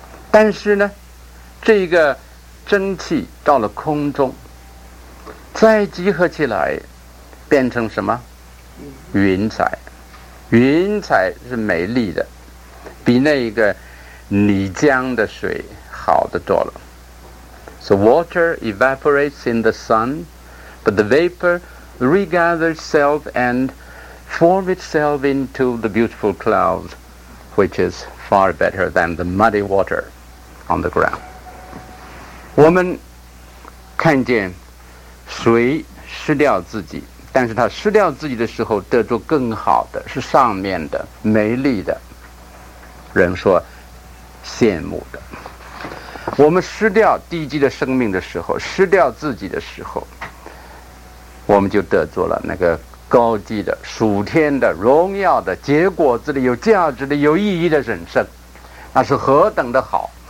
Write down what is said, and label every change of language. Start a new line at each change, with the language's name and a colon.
Chinese: 但是呢，这个蒸汽到了空中再集合起来变成什么？云彩。云彩是美丽的，比那个泥浆的水好得多了。
English: So water evaporates in the sun, but the vapor regathers itself and forms itself into the beautiful cloud, which is far better than the muddy water on the ground。
Chinese: 我们看见水失掉自己，但是他失掉自己的时候得着更好的，是上面的美丽的，人说羡慕的。我们失掉低级的生命的时候，失掉自己的时候，我们就得着了那个高级的、属天的、荣耀的、结果子的、有价值的、有意义的人生，那是何等的好。